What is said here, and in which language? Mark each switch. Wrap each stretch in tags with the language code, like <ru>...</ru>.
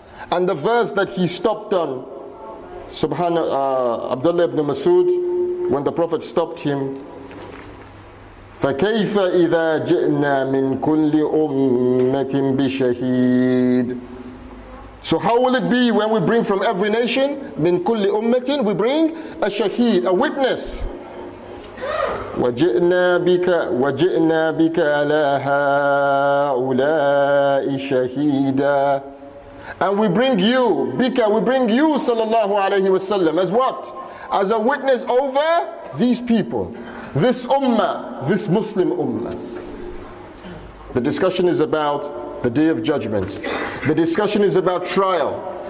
<en>And the verse that he stopped on, Abdullah ibn Mas'ud, when the Prophet stopped him,</en> <ar>فَكَيْفَ إِذَا جِئْنَا مِن كُلِّ أُمَّةٍ بِشَهِيدٍ.</ar> <en>So how will it be when we bring from every nation,</en> <ar>min kulli ummatin,</ar> <en>we bring a shaheed, a witness.</en> <ar>وجئنا بك على هؤلاء شهيدا.</ar> <en>And we bring you, Bika, we bring you, sallallahu alayhi wa sallam, as what? As a witness over these people, this ummah, this Muslim ummah. The discussion is about the Day of Judgment. The discussion is about trial.</en>